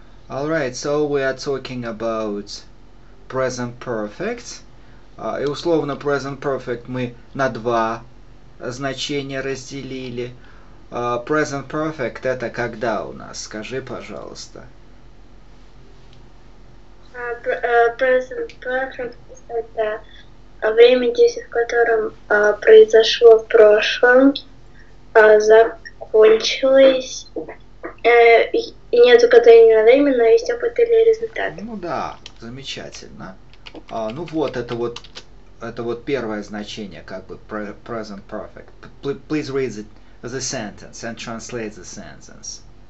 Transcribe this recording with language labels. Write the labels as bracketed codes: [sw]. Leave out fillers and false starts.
[en] Alright, so we are talking about present perfect. [ru] И условно present perfect мы на два значения разделили. Present perfect это когда у нас? Скажи, пожалуйста. Present perfect это время, действие в котором произошло в прошлом, закончилось. Нету катания на время, но есть опыт или результат. Ну да, замечательно. Ну вот, это вот первое значение, как бы present perfect. [en] Please read the sentence and translate the sentence.